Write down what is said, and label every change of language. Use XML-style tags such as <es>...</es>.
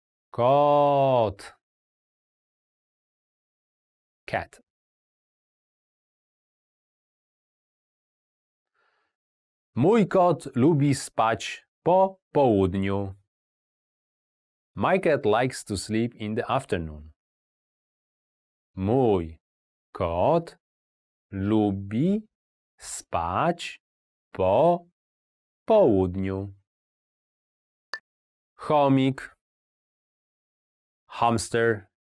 <pl>Kot.</pl> <en>Cat.</en> <pl>Mój kot lubi spać po południu.</pl> <en>My cat likes to sleep in the afternoon.</en> <pl>Mój kot lubi spać po południu. Chomik.</pl> <en>Hamster.</en>